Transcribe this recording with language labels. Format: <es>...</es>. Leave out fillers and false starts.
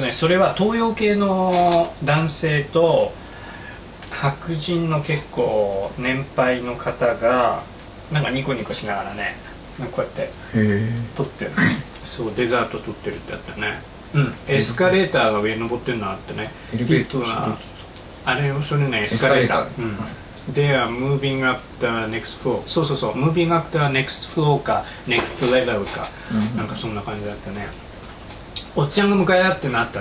<ja>ね、それは東洋系の男性と、白人の結構年配の方がなんかニコニコしながらね、こうやって撮ってる。そう、デザート撮ってるってやったね。うん、エスカレーターが上に登ってるのあってね。エレベーターがあれ、それね、エスカレーター。うん、</ja> <en>They are moving up the next floor。</en> <ja>そうそうそう、</ja> <en>moving up the next floor</en> <ja>か next level か、うん、なんかそんな感じだったね。おっちゃんが迎え合ってなった。</ja>